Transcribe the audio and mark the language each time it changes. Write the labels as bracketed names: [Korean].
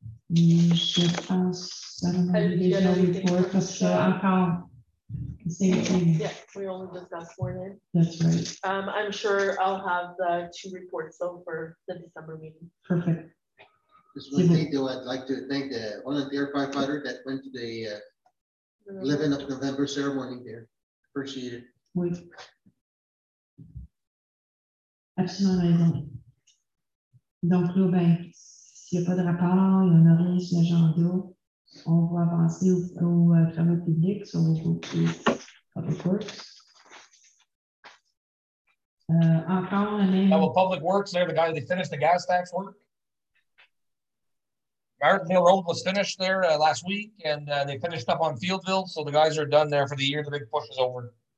[French] Je pense que ça va déjà le report parce que encore. [English] Yeah, we only just got sworn in. That's right. I'm sure I'll have the two reports though for the December meeting. Perfect. Just one thing though, I'd like to thank the volunteer firefighter that went to the 11th of November ceremony there. Appreciate it. Absolutely. [French] Donc là, ben, s'il n'y a pas de rapport, il y en a rien sur l'agenda. On va avancer au travail public sur le groupe Public Works. Encore la même. [English] Oh, well, Public Works, there, the guy that finished the gas tax work. Martin Hill Road was finished there last week, and they finished up on Fieldville, so the guys are done there for the year. The big push is over.